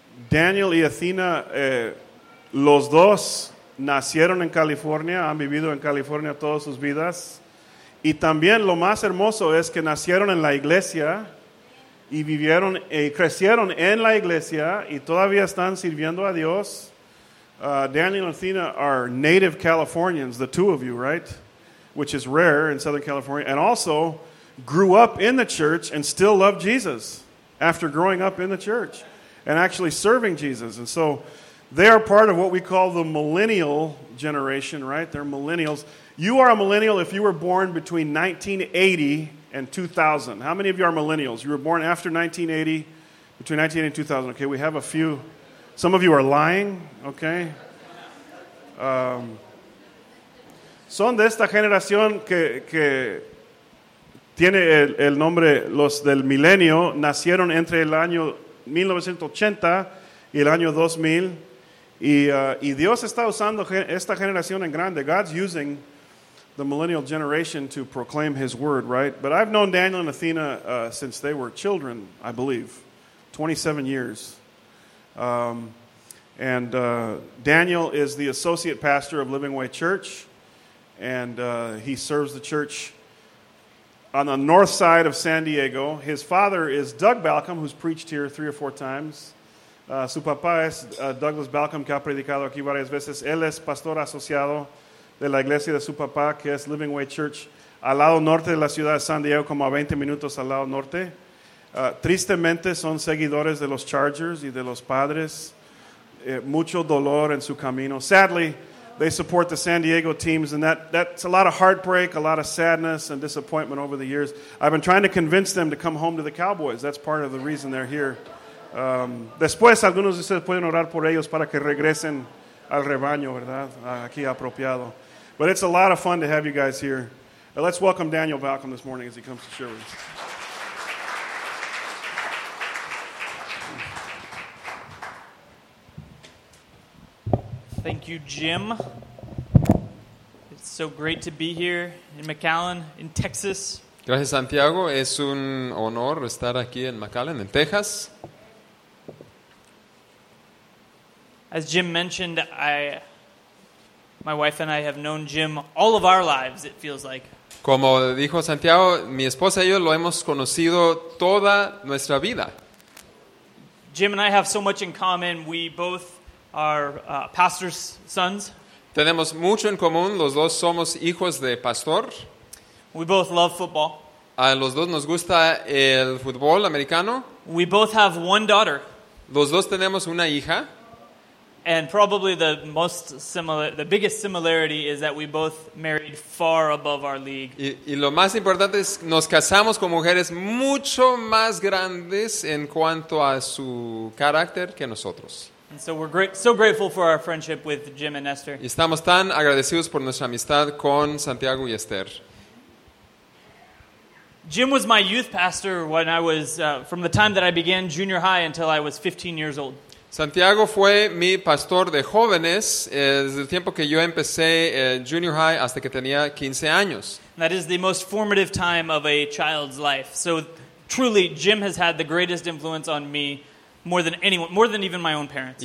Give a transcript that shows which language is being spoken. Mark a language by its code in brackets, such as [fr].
[es] Daniel y Athena, los dos nacieron en California, han vivido en California todas sus vidas. Y también lo más hermoso es que nacieron en la iglesia y vivieron y crecieron en la iglesia y todavía están sirviendo a Dios. [en] Daniel and Athena are native Californians, the two of you, right? Which is rare in Southern California. And also grew up in the church and still love Jesus after growing up in the church and actually serving Jesus. And so they are part of what we call the millennial generation, right? They're millennials. You are a millennial if you were born between 1980 and 2000. How many of you are millennials? You were born after 1980, between 1980 and 2000. Okay, we have a few. Some of you are lying, okay? [es] Son de esta generación que tiene el nombre los del milenio. Nacieron entre el año 1980 y el año 2000. Y Dios está usando esta generación en grande. [en] God's using the millennial generation to proclaim his word, right? But I've known Daniel and Athena since they were children, I believe, 27 years. And Daniel is the associate pastor of Living Way Church. And he serves the church on the north side of San Diego. His father is Doug Balcom, who's preached here three or four times. [es] Su papá es Douglas Balcom, que ha predicado aquí varias veces. Él es pastor asociado de la iglesia de su papá, que es Living Way Church, al lado norte de la ciudad de San Diego, como a 20 minutos al lado norte. Tristemente, son seguidores de los Chargers y de los Padres. Mucho dolor en su camino. [en] Sadly, they support the San Diego teams, and that's a lot of heartbreak, a lot of sadness and disappointment over the years. I've been trying to convince them to come home to the Cowboys. That's part of the reason they're here. [es] Después, algunos de ustedes pueden orar por ellos para que regresen al rebaño, ¿verdad? Aquí apropiado. [en] But it's a lot of fun to have you guys here. Now let's welcome Daniel Balcom this morning as he comes to share with us. Thank you, Jim. It's so great to be here in McAllen, in Texas. [es] Gracias, Santiago. Es un honor estar aquí en McAllen, en Texas. [en] As Jim mentioned, my wife and I have known Jim all of our lives, it feels like. [es] Como dijo Santiago, mi esposa y yo lo hemos conocido toda nuestra vida. [en] Jim and I have so much in common. We both are pastor's sons. [es] Tenemos mucho en común. Los dos somos hijos de pastor. [en] We both love football. [es] A los dos nos gusta el fútbol americano. [en] We both have one daughter. [es] Los dos tenemos una hija. [en] And probably the most similar, the biggest similarity is that we both married far above our league. [es] Y lo más importante es nos casamos con mujeres mucho más grandes en cuanto a su carácter que nosotros. [en] And so we're so grateful for our friendship with Jim and Esther. [es] Y estamos tan agradecidos por nuestra amistad con Santiago y Esther. [en] Jim was my youth pastor when I was from the time that I began junior high until I was 15 years old. [es] Santiago fue mi pastor de jóvenes desde el tiempo que yo empecé junior high hasta que tenía 15 años. [en] That is the most formative time of a child's life. So truly, Jim has had the greatest influence on me more than anyone, more than even my own parents.